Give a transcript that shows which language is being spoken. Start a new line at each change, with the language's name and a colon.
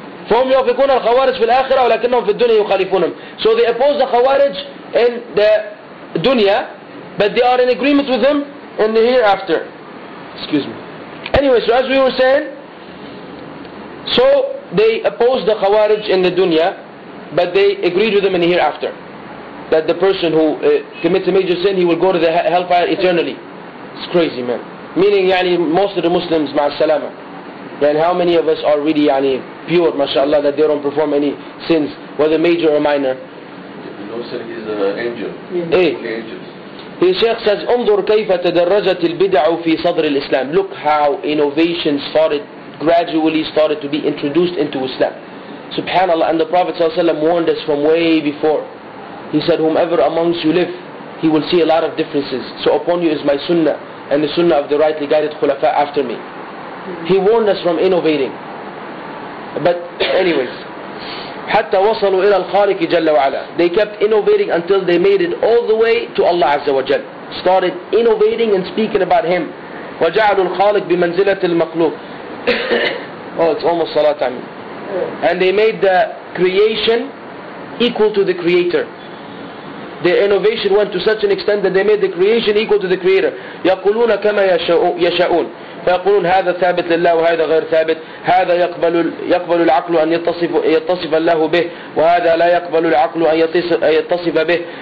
Arabic: فهم يوافقون الخوارج في الآخرة ولكنهم في الدنيا يخالفونهم.
English: So they oppose the khawarij in the dunya, but they are in agreement with them in the hereafter. Excuse me. Anyway, so as we were saying, so they opposed the Khawarij in the dunya, but they agreed with them in the hereafter. That the person who commits a major sin, he will go to the hellfire eternally. It's crazy, man. Meaning, يعني, most of the Muslims, مع السلامة. And how many of us are really يعني, pure, mashallah, that they don't perform any sins, whether major or minor? No, sir, he's an angel. Yeah. Hey. The angels. The Shaykh says, انظر كيف تدرجت البدع في صدر الإسلام. Look how innovation gradually started to be introduced into Islam. Subhanallah. And the Prophet ﷺ warned us from way before. He said, whomever amongst you live, he will see a lot of differences. So upon you is my sunnah and the sunnah of the rightly guided khulafa after me. He warned us from innovating. But anyways, حتى وصلوا إلى الخالق جل وعلا. They kept innovating until they made it all the way to Allah عز وجل. Started innovating and speaking about Him.
Arabic: وجعلوا الخالق بمنزلة المخلوق.
English: Oh, it's almost صلاة time. And they made the creation equal to the Creator. the innovation went to such an extent that they made the creation equal to the creator.
Arabic: يقولون كما يشاءون فيقولون هذا ثابت لله وهذا غير ثابت. هذا يقبل العقل أن يتصف الله به وهذا لا يقبل العقل أن يتصف به.